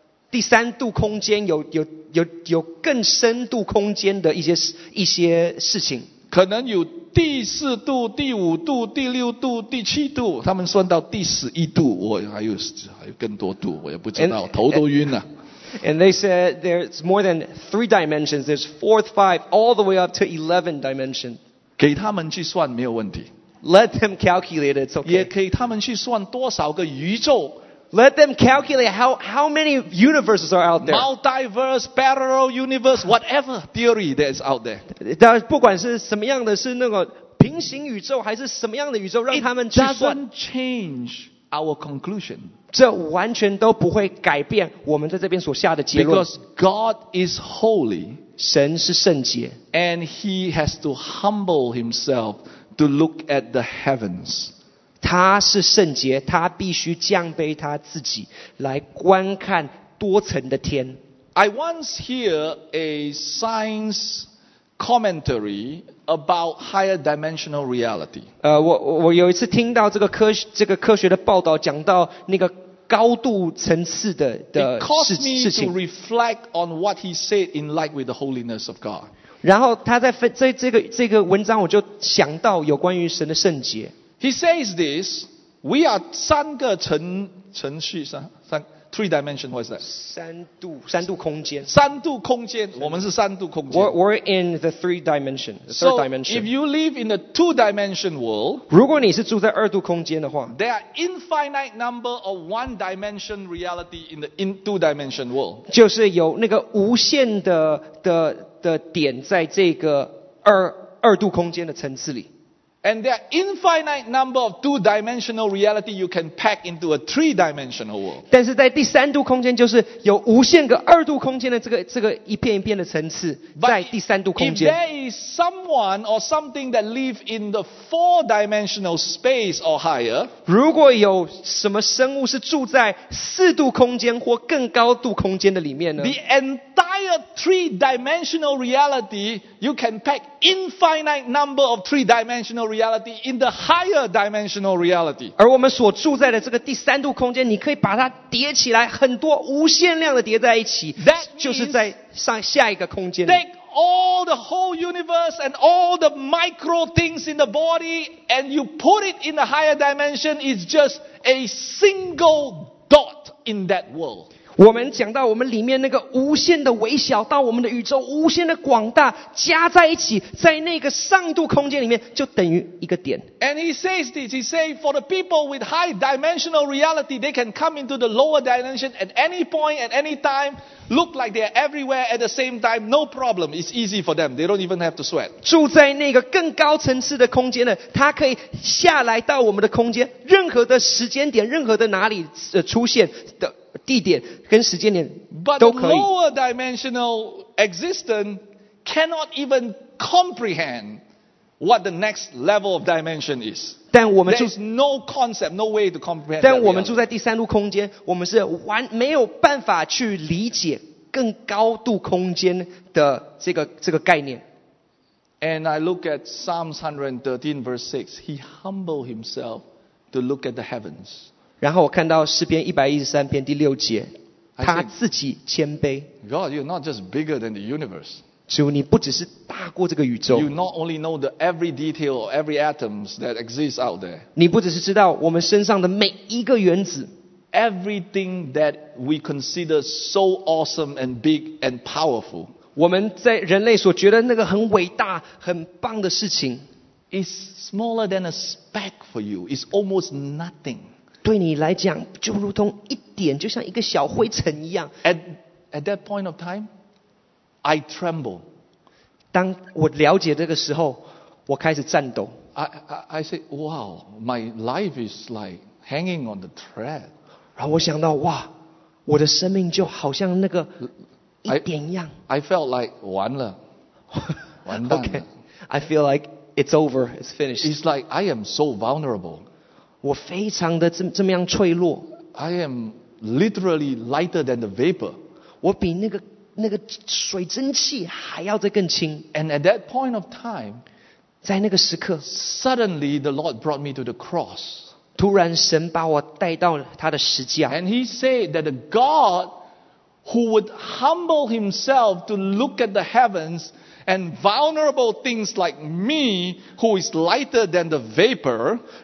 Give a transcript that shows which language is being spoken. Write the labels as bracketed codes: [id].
[zh] 第三度空间有更深度空间的一些事情。可能有第四度、第五度、第六度、第七度，他们算到第十一度，我还有更多度，我也不知道，头都晕了。 [en] And they said there's more than three dimensions. There's fourth, five, all the way up to 11 dimension. [zh] 给他们去算没有问题。 [en] Let them calculate it. It's okay. [zh] 也可以他们去算多少个宇宙。 [en] Let them calculate how many universes are out there. Multiverse, parallel universe, whatever theory that is out there. [zh] 但不管是什么样的，是那个平行宇宙还是什么样的宇宙，让他们去算。 [en] It doesn't change our conclusion. [zh] 这完全都不会改变我们在这边所下的结论。 [en] Because God is holy, [zh] 神是圣洁 [en] and He has to humble Himself to look at the heavens. [zh] 他是圣洁，他必须降卑他自己，来观看多层的天。 [en] I once hear a science commentary about higher dimensional reality. [zh] 我有一次听到这个科学的报道，讲到那个高度层次的事情。 [en] It caused me to reflect on what he said in light with the holiness of God. [zh] 然后他在这个文章，我就想到有关于神的圣洁。 [en] He says this, we are [zh] 三个程序 [en] three dimension, what is that? [zh] 三度空间。三度空间，我们是三度空间。 [en] We're in the three dimension, the third dimension. So if you live in a two dimension world, [zh] 如果你是住在二度空间的话， [en] there are infinite number of one dimension reality in the two dimension world. [zh] 就是有那个无限的点在这个二度空间的层次里。 [en] And there are infinite number of two-dimensional reality you can pack into a three-dimensional world. [zh] 但是在第三度空间，就是有无限个二度空间的这个一片一片的层次，在第三度空间。 [en] But if there is someone or something that lives in the four-dimensional space or higher, [zh] 如果有什么生物是住在四度空间或更高度空间的里面呢？ [en] The entire three-dimensional reality you can pack infinite number of three-dimensional. Reality in the higher dimensional reality. [zh] 而我们所住在的这个第三度空间，你可以把它叠起来，很多无限量的叠在一起。 [en] That [zh] 就是在上下一个空间。 [en] Take all the whole universe and all the micro things in the body, and you put it in the higher dimension. It's just a single dot in that world. [zh] 我们讲到我们里面那个无限的微小，到我们的宇宙无限的广大，加在一起，在那个上度空间里面，就等于一个点。 [en] And he says this. He says for the people with high dimensional reality, they can come into the lower dimension at any point, at any time, look like they are everywhere at the same time. No problem. It's easy for them. They don't even have to sweat. [zh] 住在那个更高层次的空间呢，他可以下来到我们的空间，任何的时间点，任何的哪里出现的。地点跟时间点都可以。 [en] But lower dimensional existence cannot even comprehend what the next level of dimension is. [zh] 但我们住 [en] There's no concept, no way to comprehend. [zh] 但我们住在第三度空间，我们是完没有办法去理解更高度空间的这个概念。 [en] And I look at Psalms 113 verse 6. He humbled himself to look at the heavens. [zh] 然后我看到诗篇113篇第六节，他自己谦卑。 [en] God, you're not just bigger than the universe. [zh] 主，你不只是大过这个宇宙。 [en] You not only know the every detail or every atoms that exists out there. [zh] 你不只是知道我们身上的每一个原子。 [en] Everything that we consider so awesome and big and powerful. [zh] 我们在人类所觉得那个很伟大、很棒的事情 [en] ，is smaller than a speck for you. It's almost nothing. [zh] 对你来讲，就如同一点，就像一个小灰尘一样。 [en] At that point of time, I tremble. [zh] 当我了解这个时候，我开始颤抖。 [en] I say, wow, my life is like hanging on the thread. [zh] 然后我想到，哇，我的生命就好像那个一点一样。 [en] I felt like [zh] 完了，完蛋了。 [en] Okay, I feel like it's over, it's finished. It's like I am so vulnerable. [zh] 我非常的这么样脆弱。 [en] I am literally lighter than the vapor. [zh] 我比那个水蒸气还要再更轻。 [en] And at that point of time, [zh] 在那个时刻 [en] ，suddenly the Lord brought me to the cross. [zh] 突然神把我带到他的十字架。 [en] And He said that the God who would humble Himself to look at the heavens And vulnerable things like me, who is lighter than the vapor,